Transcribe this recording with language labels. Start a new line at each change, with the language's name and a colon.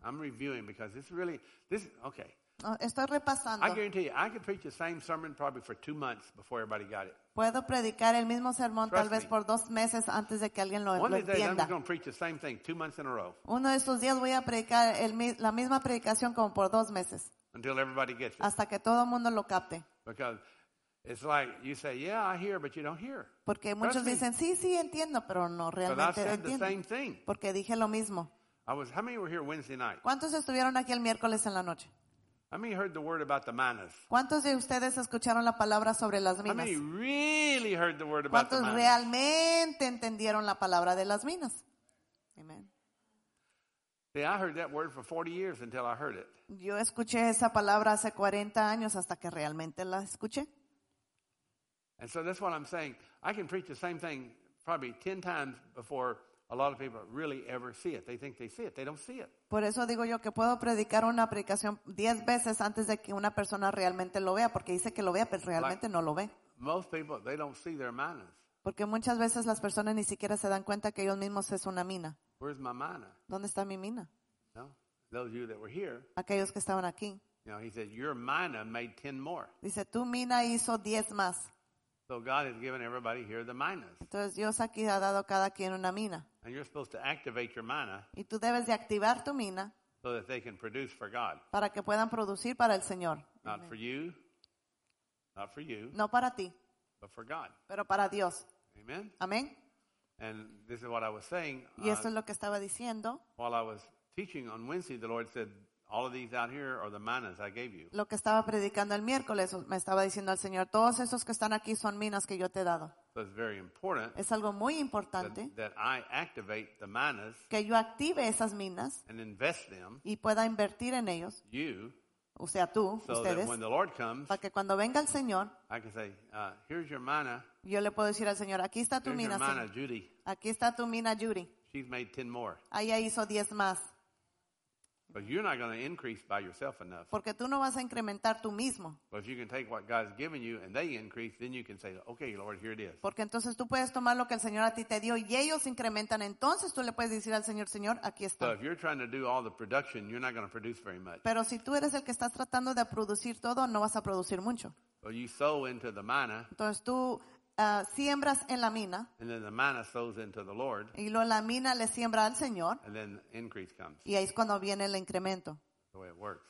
English: I'm reviewing because this is really this okay.
Spanish: Estoy repasando.
English: I guarantee you, I could preach the same sermon probably for 2 months before everybody got it.
Spanish: Puedo predicar el mismo sermón tal vez por 2 meses antes de que alguien lo entienda.
English: One of these days I'm going to preach the same thing 2 months in a row.
Spanish: Uno de estos días voy a predicar la misma predicación como por 2 meses.
English: Until everybody gets it.
Spanish: Hasta que todo mundo lo capte.
English: Because it's like you say, yeah, I hear, but you don't hear.
Spanish: Porque muchos dicen sí, sí entiendo, pero no realmente entiendo.
English: But I said the same thing.
Spanish: Porque dije lo mismo.
English: How many were here Wednesday night?
Spanish: ¿Cuántos estuvieron aquí el miércoles en la noche?
English: How many heard the word about the minas?
Spanish: ¿Cuántos de ustedes escucharon la palabra sobre las minas?
English: How many really heard the word about
Spanish: ¿cuántos
English: the minas?
Spanish: Realmente entendieron la palabra de las minas? Amen.
English: See, I heard that word for 40 years until I heard it.
Spanish: Yo escuché esa palabra hace 40 años hasta que realmente la escuché.
English: And so that's what I'm saying. I can preach the same thing probably 10 times before a lot of people really ever see it. They think they see it. They don't see it.
Spanish: Por eso digo yo que puedo predicar una predicación 10 veces antes de que una persona realmente lo vea, porque dice que lo vea, pero realmente
English: like
Spanish: no lo ve.
English: Most people, they don't see their minas.
Spanish: Porque muchas veces las personas ni siquiera se dan cuenta que ellos mismos es una mina.
English: Where's my mina?
Spanish: ¿Dónde está mi mina?
English: No. Those of you that were here.
Spanish: Aquellos que estaban aquí.
English: You know, he said, your mina made 10 more.
Spanish: Dice, tu mina hizo 10 más.
English: So God has given everybody here the minas.
Spanish: Entonces Dios aquí ha dado a cada quien una mina.
English: And you're supposed to activate your mina.
Spanish: Y tú debes de activar tu mina.
English: So that they can produce for God.
Spanish: Para que puedan producir para el Señor.
English: Not for you. Not for you.
Spanish: No para ti.
English: But for God.
Spanish: Pero para Dios. Amen. Amen.
English: And this is what I was saying.
Spanish: Y esto es lo que estaba diciendo.
English: While I was teaching on Wednesday, the Lord said, all of these out here are the minas I gave you.
Spanish: Lo que estaba predicando el miércoles me estaba diciendo al Señor, todos esos que están aquí son minas que yo te he dado.
English: So it's very important.
Spanish: Es algo muy importante
English: that I activate the minas.
Spanish: Que yo active esas minas.
English: And invest them.
Spanish: Y pueda invertir en ellos.
English: You.
Spanish: O sea, tú,
English: so
Spanish: ustedes.
English: So that when the Lord comes,
Spanish: para que cuando venga el Señor,
English: I can say, here's your mina.
Spanish: Yo le puedo decir al Señor, aquí está tu mina, Señor. Judy. Aquí está tu mina, Judy.
English: She's made 10 more.
Spanish: Ella hizo 10 más.
English: But you're not going to increase by yourself enough.
Spanish: Porque tú no vas a incrementar tú mismo.
English: But if you can take what God's given you and they increase, then you can say, okay, Lord, here it is.
Spanish: Porque entonces tú puedes tomar lo que el Señor a ti te dio y ellos incrementan, entonces tú le puedes decir al Señor, Señor, aquí está.
English: But if you're trying to do all the production, you're not going to produce very much.
Spanish: Pero si tú eres el que estás tratando de producir todo, no vas a producir mucho.
English: Well, you sow into the mina.
Spanish: Entonces tú siembras en la mina.
English: And then the mina sows into the Lord.
Spanish: Y luego la mina le siembra al Señor.
English: And then increase comes.
Spanish: Y ahí es cuando viene el incremento.
English: The way it works.